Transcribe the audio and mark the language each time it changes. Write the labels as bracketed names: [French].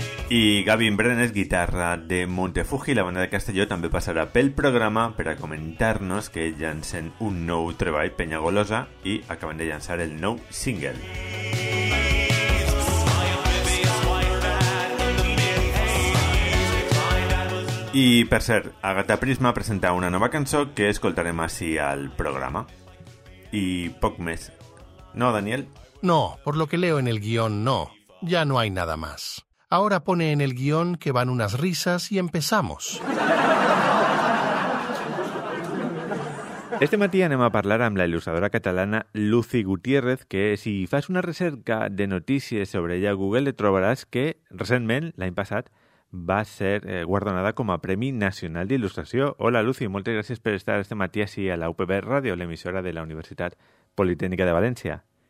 [Catalan] I Gavin Brenes, guitarra de Montefuji, la banda de Castelló, també passarà pel programa per a comentar-nos que llancen un nou treball, Penya Golosa, i acaben de llançar el nou single. I, per cert, Agatha Prisma presenta una nova cançó que escoltarem així al programa. I poc més. No, Daniel? [Spanish] No, por lo que leo en el guión, no. Ya no hay nada más. Ahora pone en el guión que van unas risas y empezamos. [Catalan] Este matí anem a parlar amb la il·lustradora catalana Lucy Gutiérrez, que si fas una recerca de notícies sobre ella a Google et trobaràs que recentment, l'any passat, va a ser guardonada com a Premi Nacional d'Il·lustració. Hola, Lucy, moltes gràcies per estar este matí així a la UPB Ràdio, l'emissora de la Universitat Politècnica de València.